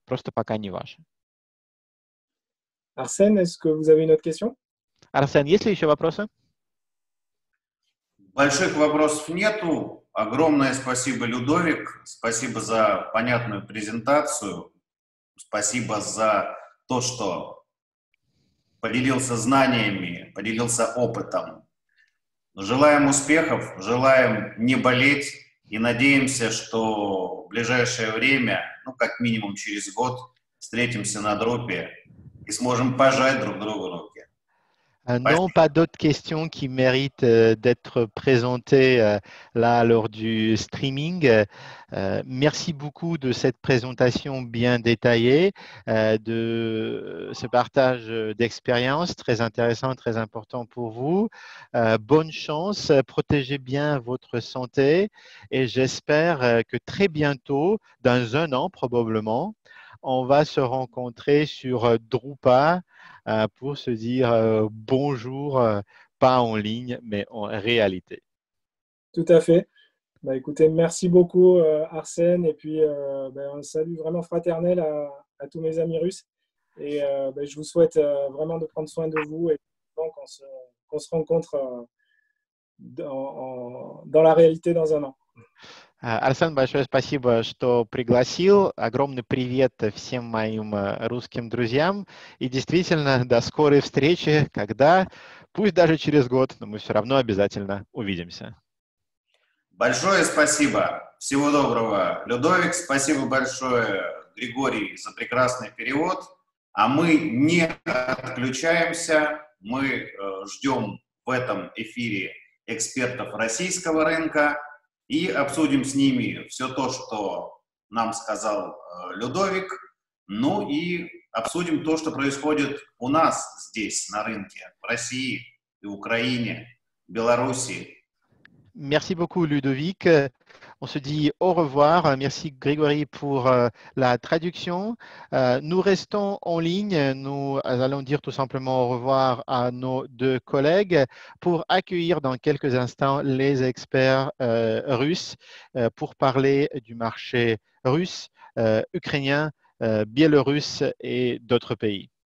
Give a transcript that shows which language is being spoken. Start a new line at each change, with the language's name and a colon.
Russian: Просто пока не ваши.
French: Арсен, est-ce que vous avez une autre question?
Russian: Арсен, есть ли еще вопросы? Больших вопросов нету. Огромное спасибо, Людовик. Спасибо за понятную презентацию. Спасибо за то, что поделился знаниями, поделился опытом. Желаем успехов, желаем не болеть и надеемся, что в ближайшее время, ну, как минимум через год, встретимся на дропе и сможем пожать друг другу руку.
French: Non, pas d'autres questions qui méritent d'être présentées là lors du streaming. Merci beaucoup de cette présentation bien détaillée, de ce partage d'expériences très intéressant, très important pour vous. Bonne chance, protégez bien votre santé et j'espère que très bientôt, dans un an probablement, on va se rencontrer sur Drupa pour se dire bonjour, pas en ligne, mais en réalité. Tout à fait. Bah, écoutez, merci beaucoup, Arsène. Et puis, un salut vraiment fraternel à tous mes amis russes. Et je vous souhaite vraiment de prendre soin de vous et qu'on se rencontre dans la réalité dans un an.
Russian: Арсен, большое спасибо, что пригласил. Огромный привет всем моим русским друзьям. И действительно, до скорой встречи, когда, пусть даже через год, но мы все равно обязательно увидимся. Большое спасибо. Всего доброго, Людовик. Спасибо большое, Григорий, за прекрасный перевод. А мы не отключаемся. Мы ждем в этом эфире экспертов российского рынка. И обсудим с ними все то, что нам сказал Людовик, ну и обсудим то, что происходит у нас здесь, на рынке, в России, в Украине, в Белоруссии.
French: Merci beaucoup, Ludovic. On se dit au revoir. Merci, Grégory, pour la traduction. Nous restons en ligne. Nous allons dire tout simplement au revoir à nos deux collègues pour accueillir dans quelques instants les experts russes pour parler du marché russe, ukrainien, biélorusse et d'autres pays.